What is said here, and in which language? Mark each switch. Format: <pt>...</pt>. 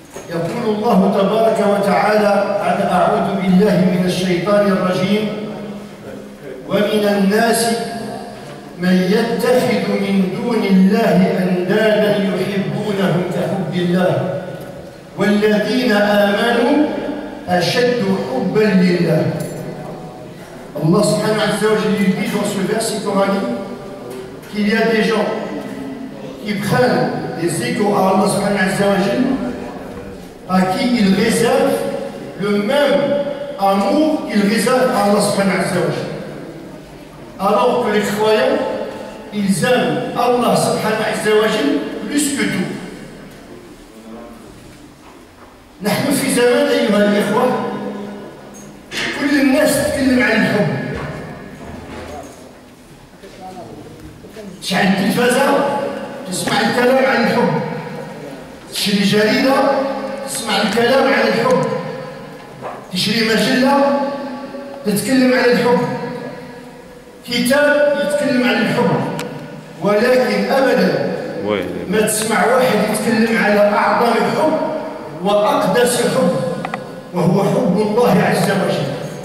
<ar>يقول الله تبارك وتعالى: أعوذ بالله من الشيطان الرجيم. ومن الناس من يتخذ من دون الله أندادا يحبونهم كحب الله، والذين آمنوا أشد حبا لله. الله سبحانه عز وجل يقول في هذا الفيرسي القراني</ar> <fr>qu'il y a des gens qui prennent des égaux à Allah</fr> <ar>سبحانه عز وجل</ar> <fr>à qui il réserve le même amour qu'il réserve à Allah سبحانه عز وجل. Alors que les croyants, ils aiment Allah</fr> <ar>سبحانه عز وجل</ar> <fr>plus que tout.</fr> <ar>نحن في زمان أيها الإخوة كل الناس تتكلم عن الحب. تشعل التلفزة تسمع الكلام عن الحب، تشري جريدة تسمع الكلام عن الحب، تشري مجلة تتكلم عن الحب، كتاب يتكلم عن الحب، ولكن أبدا ما تسمع واحد يتكلم على أعظم الحب وأقدس حب، وهو حب الله عز وجل.</ar>